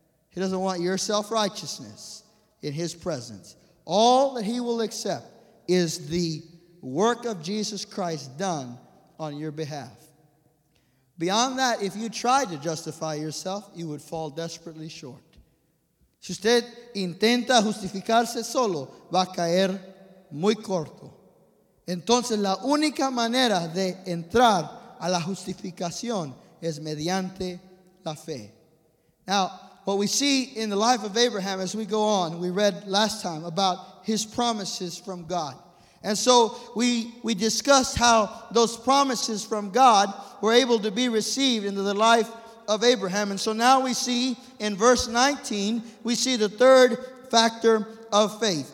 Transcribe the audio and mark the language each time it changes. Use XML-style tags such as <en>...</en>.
<en>He doesn't want your self-righteousness in His presence. All that He will accept is the work of Jesus Christ done on your behalf. Beyond that, if you tried to justify yourself, you would fall desperately short.</en> <es>Si usted intenta justificarse solo, va a caer muy corto. Entonces, la única manera de entrar a la justificación es mediante la fe.</es> <en>Now, what we see in the life of Abraham as we go on, we read last time about his promises from God. And so we discussed how those promises from God were able to be received into the life of Abraham. And so now we see in verse 19, we see the third factor of faith.</en>